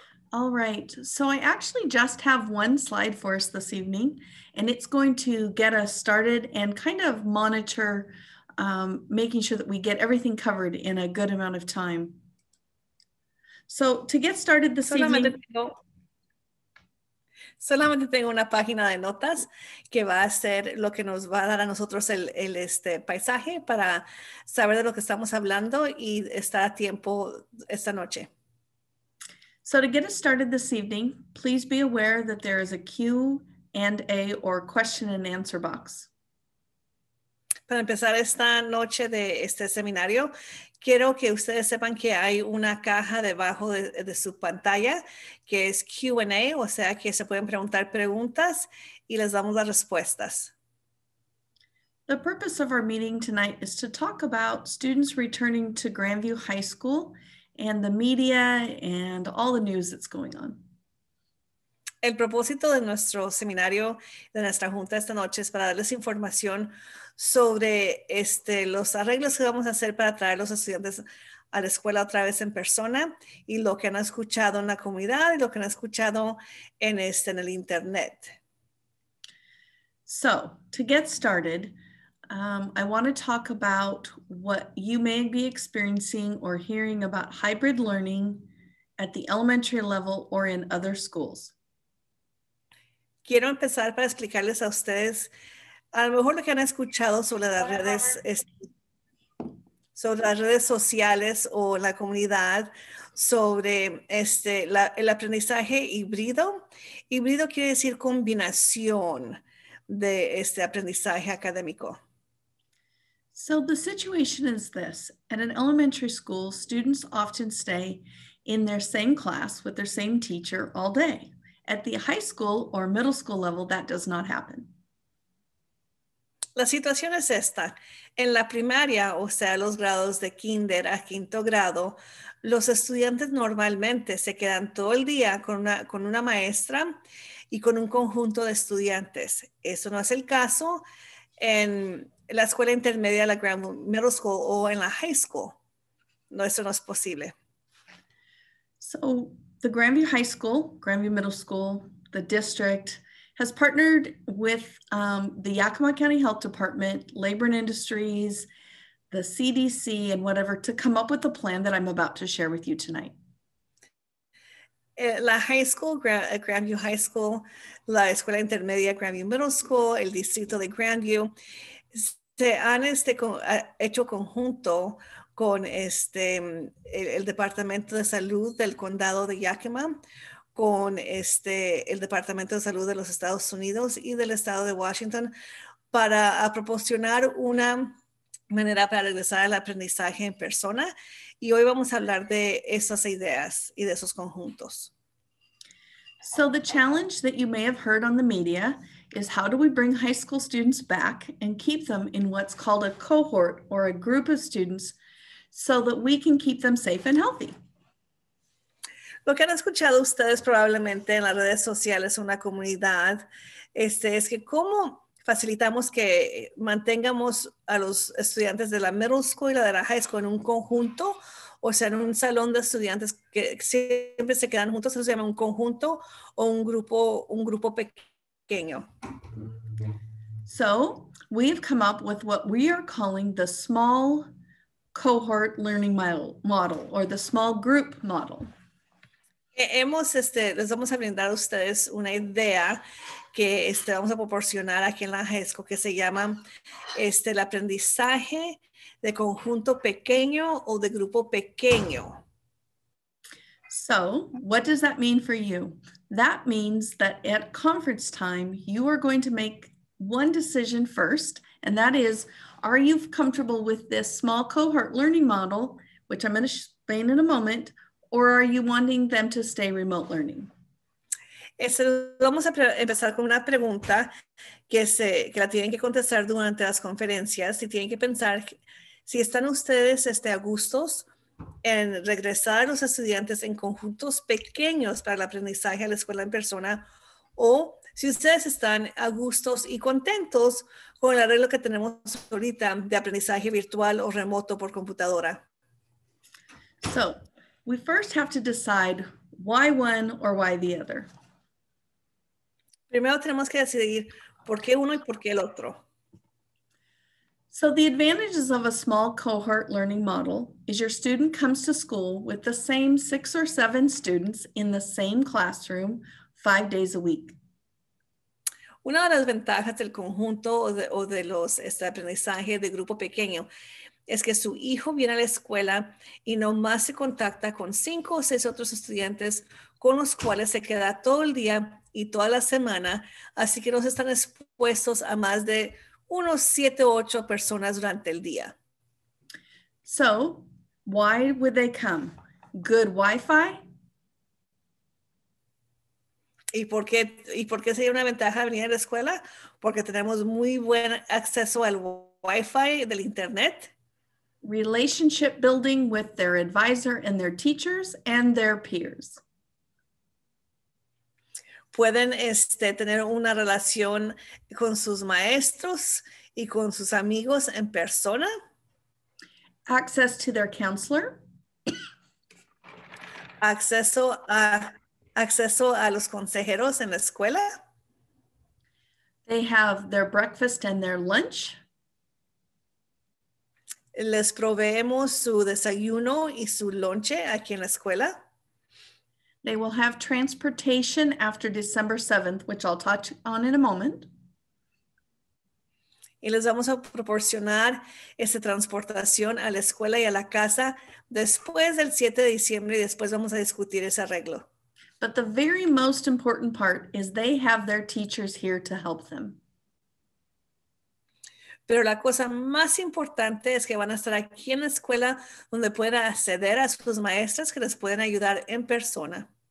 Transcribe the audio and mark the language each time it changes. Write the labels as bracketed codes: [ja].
[en] All right, so I actually just have one slide for us this evening, and it's going to get us started and kind of monitor making sure that we get everything covered in a good amount of time. So to get started this evening. [es] Solamente tengo una página de notas que va a ser lo que nos va a dar a nosotros el paisaje para saber de lo que estamos hablando y estar a tiempo esta noche. [en] So to get us started this evening, please be aware that there is a Q&A or question and answer box. [es] Para empezar esta noche de este seminario, quiero que ustedes sepan que hay una caja debajo de su pantalla que es Q&A, o sea que se pueden preguntar preguntas y les damos las respuestas. [en] The purpose of our meeting tonight is to talk about students returning to Grandview High School and the media and all the news that's going on. [es] El propósito de nuestro seminario, de nuestra junta esta noche, es para darles información sobre los arreglos que vamos a hacer para traer los estudiantes a la escuela otra vez en persona y lo que han escuchado en la comunidad y lo que han escuchado en el internet. [en] So, to get started, I want to talk about what you may be experiencing or hearing about hybrid learning at the elementary level or in other schools. [es] Quiero empezar para explicarles a ustedes a lo mejor lo que han escuchado sobre las redes sociales o la comunidad sobre el aprendizaje híbrido. Híbrido quiere decir combinación de aprendizaje académico. [en] So the situation is this. At an elementary school, students often stay in their same class with their same teacher all day. At the high school or middle school level, that does not happen. [es] La situación es esta. En la primaria, o sea, los grados de kinder a quinto grado, los estudiantes normalmente se quedan todo el día con una maestra y con un conjunto de estudiantes. Eso no es el caso en la escuela intermedia, la middle school, o en la high school. No, eso no es posible. [en] So, the Grandview High School, Grandview Middle School, the district, has partnered with the Yakima County Health Department, Labor and Industries, the CDC, and whatever, to come up with a plan that I'm about to share with you tonight. [es] La high school, Grandview High School, la escuela intermedia Grandview Middle School, el distrito de Grandview, se han hecho conjunto con el Departamento de Salud del Condado de Yakima, con el Departamento de Salud de los Estados Unidos y del Estado de Washington para proporcionar una manera para regresar al aprendizaje en persona. Y hoy vamos a hablar de esas ideas y de esos conjuntos. [en] So the challenge that you may have heard on the media is how do we bring high school students back and keep them in what's called a cohort or a group of students so that we can keep them safe and healthy. [es] Lo que han escuchado ustedes probablemente en las redes sociales o una comunidad es que cómo facilitamos que mantengamos a los estudiantes de la middle school y la de la high school en un conjunto, o sea, en un salón de estudiantes que siempre se quedan juntos, eso se llama un conjunto o un grupo pequeño. [en] So, we've come up with what we are calling the Small Cohort Learning Model, or the Small Group Model. [es] Hemos, les vamos a brindar a ustedes una idea que vamos a proporcionar aquí en la JESCO que se llama el aprendizaje de conjunto pequeño o de grupo pequeño. [en] So, what does that mean for you? That means that at conference time, you are going to make one decision first, and that is, are you comfortable with this small cohort learning model, which I'm going to explain in a moment, or are you wanting them to stay remote learning? [es] Vamos a empezar con una pregunta que la tienen que contestar durante las conferencias y tienen que pensar si están ustedes a gustos en regresar a los estudiantes en conjuntos pequeños para el aprendizaje a la escuela en persona o si ustedes están a gustos y contentos con el arreglo que tenemos ahorita de aprendizaje virtual o remoto por computadora. [en] So, we first have to decide why one or why the other. [es] Primero tenemos que decidir por qué uno y por qué el otro. [en] So the advantages of a small cohort learning model is your student comes to school with the same 6 or 7 students in the same classroom 5 days a week. [es] Una de las ventajas del conjunto o de los aprendizaje de grupo pequeño es que su hijo viene a la escuela y nomás se contacta con 5 o 6 otros estudiantes con los cuales se queda todo el día y toda la semana, así que no están expuestos a más de unos 7 o 8 personas durante el día. [en] So, why would they come? Good Wi-Fi? [es] ¿Y por qué sería una ventaja venir a la escuela? Porque tenemos muy buen acceso al Wi-Fi del internet. [en] Relationship building with their advisor and their teachers and their peers. [es] Pueden tener una relación con sus maestros y con sus amigos en persona. [en] Access to their counselor. [es] Acceso a los consejeros en la escuela. [en] They have their breakfast and their lunch. [es] Les proveemos su desayuno y su lonche aquí en la escuela. [en] They will have transportation after December 7th, which I'll touch on in a moment. [es] Y les vamos a proporcionar esa transportación a la escuela y a la casa después del 7 de diciembre y después vamos a discutir ese arreglo. [en] But the very most important part is they have their teachers here to help them. [es] Pero la cosa más importante es que van a estar aquí en la escuela donde pueden acceder a sus maestras que les pueden ayudar en persona.